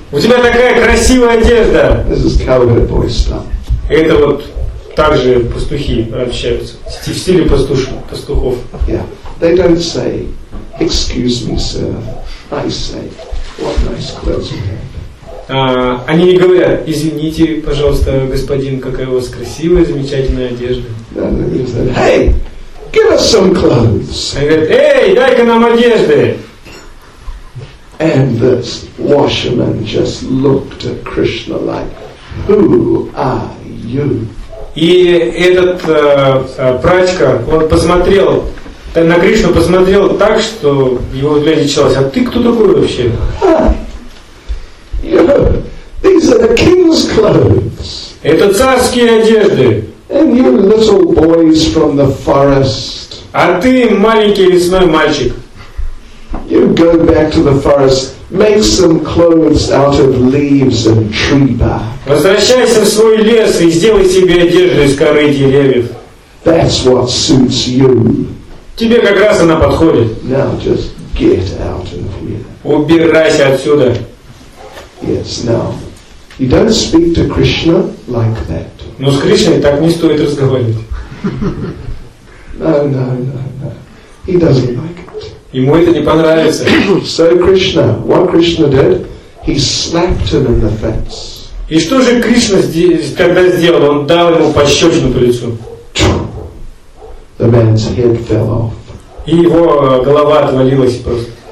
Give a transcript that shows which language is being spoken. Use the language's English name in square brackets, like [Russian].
[Russian] У тебя такая красивая одежда. [English] This is cowherd boy stuff. [Russian] Это вот также пастухи общаются в стиле пастухов. [English] Yeah, they don't say, excuse me, sir. I say, what nice clothes you have. [Russian] Они не говорят, извините, пожалуйста, господин, какая у вас красивая, замечательная одежда. [English] Hey! Give us some clothes. [Russian] Они говорят, эй, дай-ка нам одежды. [English] And the washerman just looked at Krishna like, who are you? [Russian] И этот прачка, он посмотрел, на Кришну посмотрел так, что его взгляд началось, а ты кто такой вообще? [English] These are the king's clothes. [Russian] Это царские одежды. [English] And you little boys from the forest. [Russian] А ты маленький лесной мальчик. [English] You go back to the forest, make some clothes out of leaves and tree bark. [Russian] Возвращайся в свой лес и сделай себе одежду из коры деревьев. [English] That's what suits you. [Russian] Тебе как раз она подходит. [English] Now just get out of here. [Russian] Убирайся отсюда. [English] Yes, now. You don't speak to Krishna like that. [Russian] Но с Кришной так не стоит разговаривать. [English] No. He doesn't like it. [Russian] Ему это не понравится. [English] So Krishna, what Krishna did, he slapped him in the face. [Russian] И что же Кришна тогда сделал? Он дал ему пощечину по лицу. [English] The man's head fell off. [Russian] И его голова отвалилась просто.